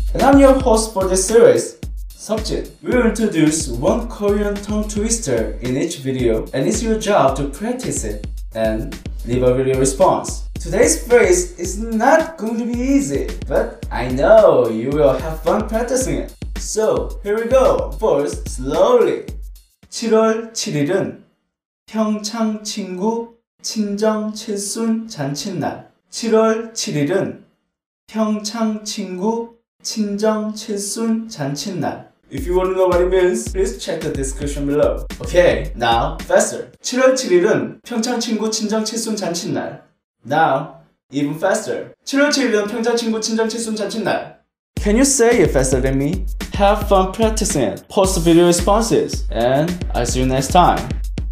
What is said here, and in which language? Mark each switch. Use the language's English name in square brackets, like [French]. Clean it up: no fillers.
[English] And I'm your host for this series, Seokjin. We will introduce one Korean tongue twister in each video, and it's your job to practice it and leave a video response. Today's phrase is not going to be easy, but I know you will have fun practicing it. So, here we go. First, slowly. [Korean] 7월 7일은 평창 친구 친정 칠순 잔칫날. 7월 7일은 평창 친구 친정 칠순 잔칫날. [English] If you want to know what it means, please check the description below. Okay, now faster. [Korean] 7월 7일은 평창 친구 친정 칠순 잔칫날. [English] Now, even faster. [Korean] 7월 7일은 평창 친구 친정 칠순 잔칫날. [English] Can you say it faster than me? Have fun practicing it. Post video responses, and I'll see you next time.